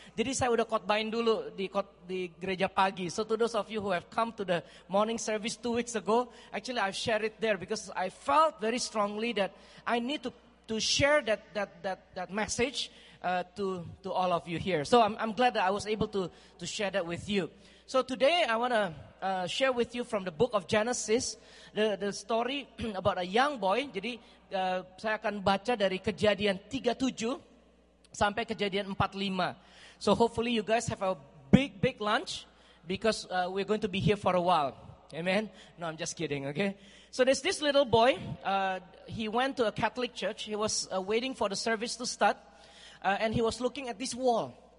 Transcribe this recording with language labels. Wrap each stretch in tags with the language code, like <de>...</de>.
<id>Jadi saya udah khotbahin dulu di gereja pagi.</id> <en>So to those of you who have come to the morning service 2 weeks ago, actually I've shared it there because I felt very strongly that I need to share that message to all of you here. So I'm glad that I was able to share that with you. So today I want to share with you from the book of Genesis the story about a young boy.</en> <id>Jadi saya akan baca dari Kejadian 37 sampai Kejadian 45.</id> <en>So hopefully you guys have a big lunch because we're going to be here for a while. Amen. No, I'm just kidding, okay? So there's this little boy, he went to a Catholic church. He was waiting for the service to start and he was looking at this wall.</en>